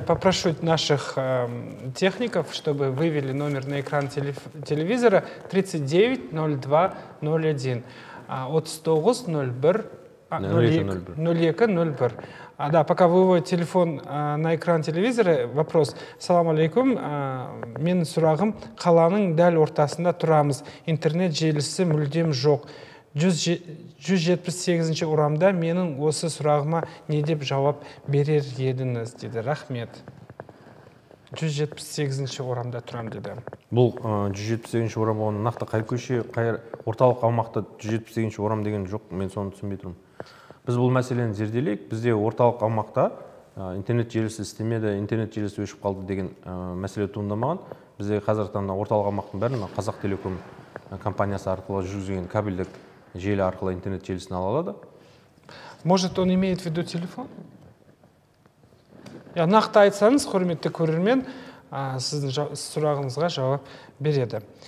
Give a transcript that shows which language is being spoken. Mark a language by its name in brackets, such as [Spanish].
[Russian] Попрошу наших техников, чтобы вывели номер на экран телевизора. 39-02-01. От 100-01-01. А, да, пока выводят телефон на экран телевизора, вопрос. [Kazakh] Салам алейкум. Мен сурагым қаланың дәл ортасында тұрамыз. Интернет желісі мүлдем жоқ. 178-ші урамда менің осы сұрағыма не деп жауап берер едіңіз, деді. Рахмет. 178-ші урамда тұрам, деді. Бұл 178-ші урам, оның нақты қай көше, қай орталық аумақта 178-ші урам деген жоқ, мен соны түсінбей тұрмын. Біз бұл мәселені зерделейік. Бізде орталық аумақта интернет желісі істемеді, интернет желісі өшіп қалды деген мәселе туындамаған. Бізде қазір таңда орталық аумақтың бәрін Қазақтелеком компаниясы арқылы жүргізген кабельдік желі арқылы интернет желісін ала алады. [Russian] Может, он имеет в виду телефон? [Kazakh] Я нақты айтсаңыз, құрметті көрермен, сіздің сұрағыңызға жауап береді.